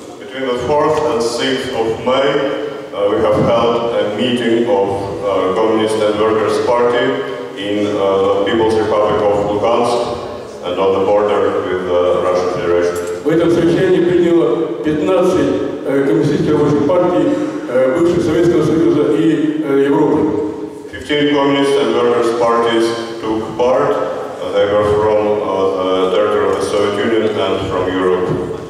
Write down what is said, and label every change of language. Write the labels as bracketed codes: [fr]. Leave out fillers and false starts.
[en] Between the 4th and 6th of May we have held a meeting of Communist and Workers' Party in People's Republic of Lugansk. And on the border with the Russian Federation. [ru] В этом совещании приняло 15 коммунистических рабочих партий бывших Советского Союза и Европы. [en] 15 communist and workers parties took part. They were from the territory of the Soviet Union and from Europe.